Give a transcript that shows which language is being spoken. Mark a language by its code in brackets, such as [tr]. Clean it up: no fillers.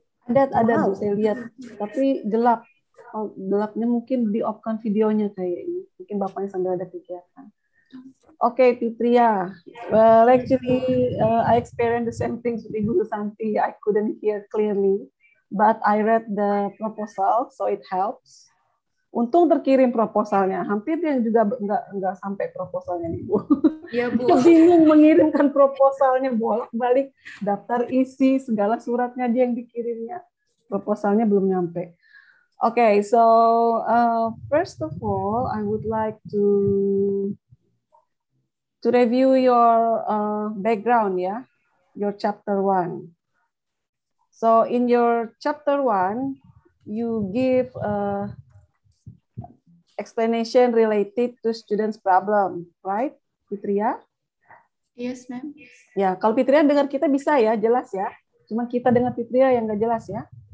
[id] Ada wow. Saya lihat, tapi gelap. Oh, gelapnya mungkin di-off-kan videonya kayaknya. Mungkin bapaknya sambil ada kegiatan. Okay, Pitria. [en] Well, actually, I experienced the same thing with Ibu Santi. I couldn't hear clearly, but I read the proposal, so it helps. [id] Untung terkirim proposalnya. Hampir yang juga nggak sampai proposalnya, Ibu. Iya, Bu. Aku bingung mengirimkan proposalnya bolak-balik, daftar isi, segala suratnya dia yang dikirimnya. Proposalnya belum nyampe. [en] Okay, so first of all, I would like to review your background, ya, yeah? Your chapter one. So in your chapter one, you give explanation related to students' problem, right, Pitria? Yes, ma'am. [id] Ya, kalau Pitria dengar kita bisa ya, jelas ya. Cuma kita dengar Pitria yang nggak jelas ya.